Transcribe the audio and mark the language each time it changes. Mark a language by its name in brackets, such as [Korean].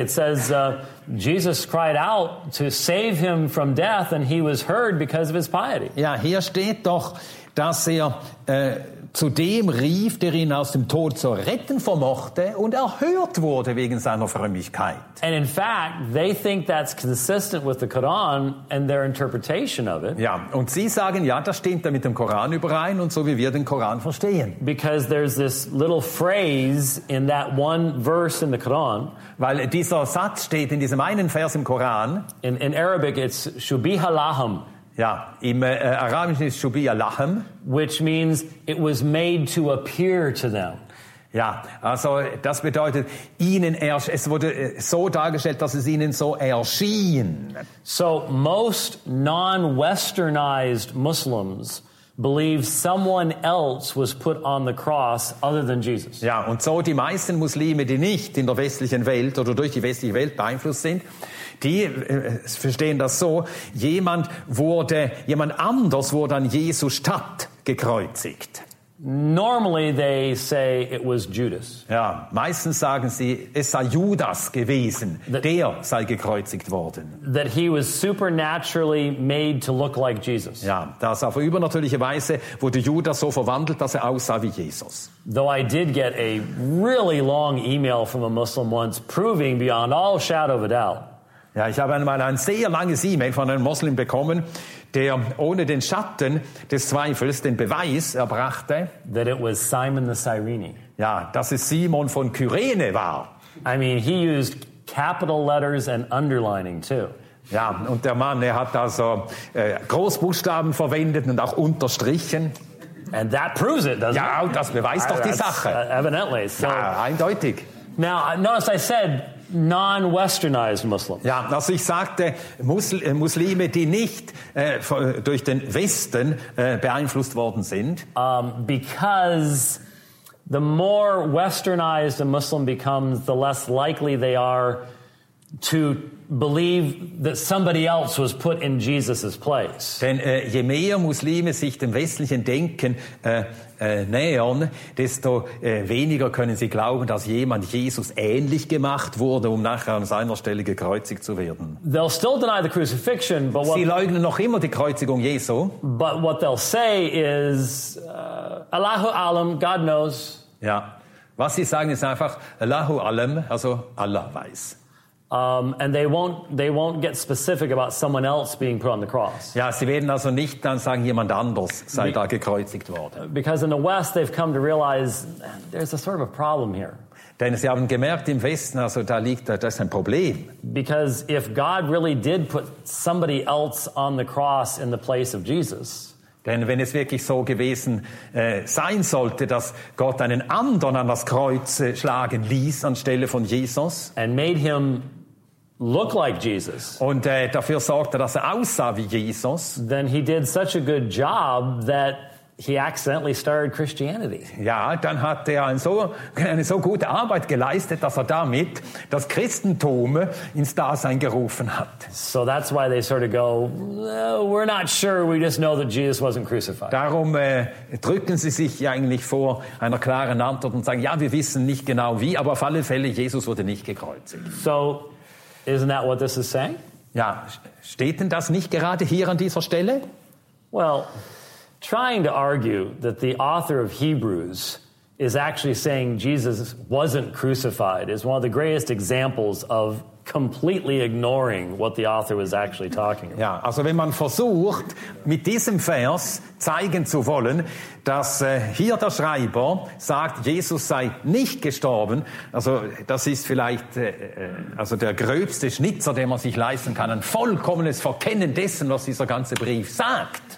[English] It says Jesus cried out to save him from death, and he was heard because of his piety. [German] Ja, hier steht doch, dass er zu dem rief, der ihn aus dem Tod zu retten vermochte, und erhört wurde wegen seiner Frömmigkeit. [English] And in fact, they think that's consistent with the Quran and their interpretation of it. [German] Ja, und sie sagen, ja, das stimmt ja mit dem Koran überein und so wie wir den Koran verstehen. [English] Because there's this little phrase in that one verse in the Quran. [German] Weil dieser Satz steht in diesem einen Vers im Koran. [English] In Arabic it's shubiha lahum. [German] Ja, im Arabischen ist Shubiya Lahem, [English] which means it was made to appear to them. [German] Ja, also das bedeutet, ihnen es wurde so dargestellt, dass es ihnen so erschien. [English] So most non-westernized Muslims believe someone else was put on the cross other than Jesus. [German] Ja, und so die meisten Muslime, die nicht in der westlichen Welt oder durch die westliche Welt beeinflusst sind, die verstehen das so, jemand anders wurde an Jesus statt gekreuzigt. [English] Normally they say it was Judas. [German] Ja, meistens sagen sie, es sei Judas gewesen, der sei gekreuzigt worden. [English] That he was supernaturally made to look like Jesus. [German] Ja, dass auf übernatürliche Weise wurde Judas so verwandelt, dass er aussah wie Jesus. [English] Though I did get a really long email from a Muslim once proving beyond all shadow of a doubt. [German] Ja, ich habe einmal ein sehr langes E-Mail von einem Muslim bekommen, der ohne den Schatten des Zweifels den Beweis erbrachte, [English] that it was Simon the Cyrene. [German] Ja, dass es Simon von Kyrene war. [English] I mean, he used capital letters and underlining too. [German] Ja, und der Mann, er hat also Großbuchstaben verwendet und auch unterstrichen. [English] And that proves it, doesn't [German] ja, [English] it? [German] Das beweist doch die Sache. [English] Evidently. So. [German] Ja, eindeutig. [English] Now, notice I said non-westernized Muslims. [German] Ja, also ich sagte Muslime, die nicht durch den Westen beeinflusst worden sind. [English] Because the more westernized a Muslim becomes, the less likely they are to believe that somebody else was put in Jesus' place. [German] Denn je mehr Muslime sich dem westlichen Denken nähern, desto weniger können sie glauben, dass jemand Jesus ähnlich gemacht wurde, um nachher an seiner Stelle gekreuzigt zu werden. [English] They'll still deny the crucifixion, but what, [German] sie leugnen noch immer die Kreuzigung Jesu. [English] But what they'll say is, [Arabic] Allahu alam, [English] God knows. [German] Ja, was sie sagen ist einfach, [Arabic] Allahu alam, [German] also Allah weiß. [English] And they won't get specific about someone else being put on the cross. [German] Ja, sie werden also nicht dann sagen, jemand anders sei da gekreuzigt worden. [English] Because in the West they've come to realize there's a sort of a problem here. [German] Denn sie haben gemerkt im Westen, also da liegt das ist ein Problem. [English] Because if God really did put somebody else on the cross in the place of Jesus. [German] Denn wenn es wirklich so gewesen sein sollte, dass Gott einen anderen an das Kreuz schlagen ließ anstelle von Jesus, [English] and made him look like Jesus, [German] und dafür sorgte, dass er aussah wie Jesus, [English] then he did such a good job that he accidentally started Christianity. [German] Ja, dann hat er eine so gute Arbeit geleistet, dass er damit das Christentum ins Dasein gerufen hat. [English] So that's why they sort of go, we're not sure, we just know that Jesus wasn't crucified. [German] Darum drücken sie sich ja eigentlich vor einer klaren Antwort und sagen, ja, wir wissen nicht genau wie, aber auf alle Fälle, Jesus wurde nicht gekreuzigt. [English] So, isn't that what this is saying? [German] Ja, steht denn das nicht gerade hier an dieser Stelle? [English] Well, trying to argue that the author of Hebrews is actually saying Jesus wasn't crucified is one of the greatest examples of completely ignoring what the author was actually talking about. [German] Ja, also wenn man versucht, mit diesem Vers zeigen zu wollen, dass hier der Schreiber sagt, Jesus sei nicht gestorben, also das ist vielleicht also der gröbste Schnitzer, den man sich leisten kann, ein vollkommenes Verkennen dessen, was dieser ganze Brief sagt.